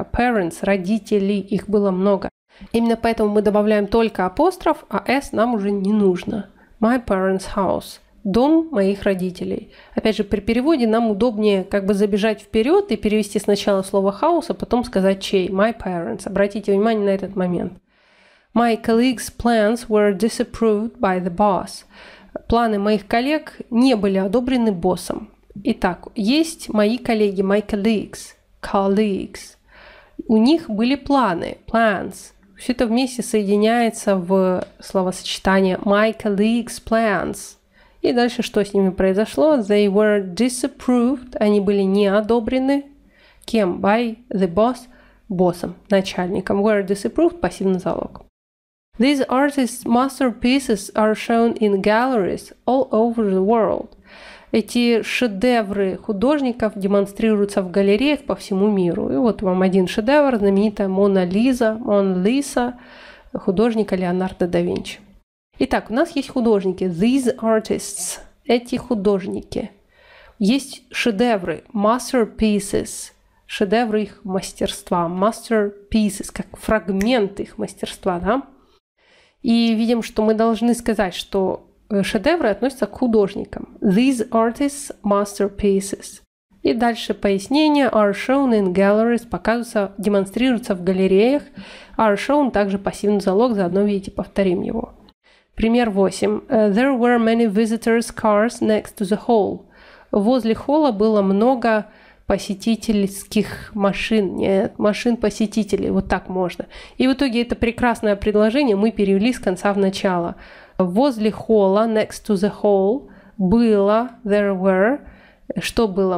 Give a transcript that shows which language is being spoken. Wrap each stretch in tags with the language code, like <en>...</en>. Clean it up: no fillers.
<ru>Parents, родители, их было много. Именно поэтому мы добавляем только апостроф, а s нам уже не нужно.</ru> <en>My parents' house.</en> <ru>Дом моих родителей. Опять же, при переводе нам удобнее как бы забежать вперед и перевести сначала слово house, а потом сказать чей.</ru> <en>My parents.</en> <ru>Обратите внимание на этот момент.</ru> <en>My colleagues' plans were disapproved by the boss.</en> <ru>Планы моих коллег не были одобрены боссом. Итак, есть мои коллеги,</ru> <en>my colleagues, colleagues.</en> <ru>У них были планы, plans. Все это вместе соединяется в словосочетание</ru> <en>my colleagues' plans.</en> <ru>И дальше что с ними произошло?</ru> <en>They were disapproved.</en> <ru>Они были не одобрены. Кем?</ru> <en>By the boss.</en> <ru>Боссом, начальником.</ru> <en>Were disapproved.</en> <ru>Пассивный залог.</ru> <en>These artists' masterpieces are shown in galleries all over the world.</en> <ru>Эти шедевры художников демонстрируются в галереях по всему миру. И вот вам один шедевр, знаменитая Мона Лиза, Мона Лиза, художника Леонардо да Винчи. Итак, у нас есть художники,</ru> <en>these artists,</en> <ru>эти художники. Есть шедевры, masterpieces, шедевры их мастерства, masterpieces, как фрагменты их мастерства, да? И видим, что мы должны сказать, что шедевры относятся к художникам.</ru> <en>These artists' masterpieces.</en> <ru>И дальше пояснение.</ru> <en>Are shown in galleries.</en> <ru>Показываются, демонстрируются в галереях.</ru> <en>Are shown</en> <ru>также пассивный залог. Заодно видите, повторим его. Пример 8.</ru> <en>There were many visitors' cars next to the hall.</en> <ru>Возле холла было много посетительских машин. Нет, машин посетителей. Вот так можно. И в итоге это прекрасное предложение мы перевели с конца в начало. Возле холла,</ru> <en>next to the hall,</en> <ru>было,</ru> <en>there were,</en> <ru>что было?</ru>